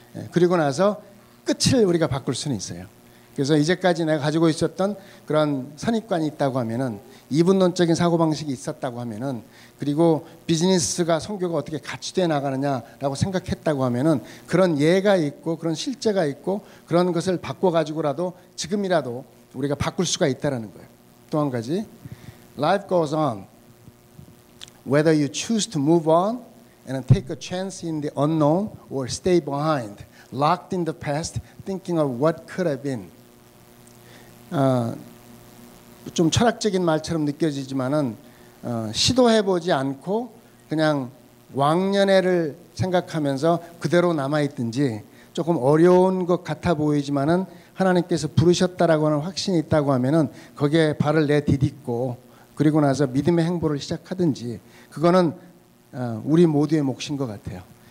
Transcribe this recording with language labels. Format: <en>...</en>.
<ko>그리고 나서 끝을 우리가 바꿀 수는 있어요. 그래서 이제까지 내가 가지고 있었던 그런 선입관이 있다고 하면은 이분론적인 사고방식이 있었다고 하면은 그리고 비즈니스가 성교가 어떻게 같이 돼 나가느냐라고 생각했다고 하면은 그런 예가 있고 그런 실제가 있고 그런 것을 바꿔가지고라도 지금이라도 우리가 바꿀 수가 있다라는 거예요. 또 한 가지,</ko> <en>Life goes on. Whether you choose to move on and take a chance in the unknown or stay behind, locked in the past, thinking of what could have been.</en> <ko>좀 철학적인 말처럼 느껴지지만은 시도해보지 않고 그냥 왕년회를 생각하면서 그대로 남아있든지 조금 어려운 것 같아 보이지만은 하나님께서 부르셨다라고 하는 확신이 있다고 하면은 거기에 발을 내디딛고 그리고 나서 믿음의 행보를 시작하든지 그거는 우리 모두의 몫인 것 같아요.</ko>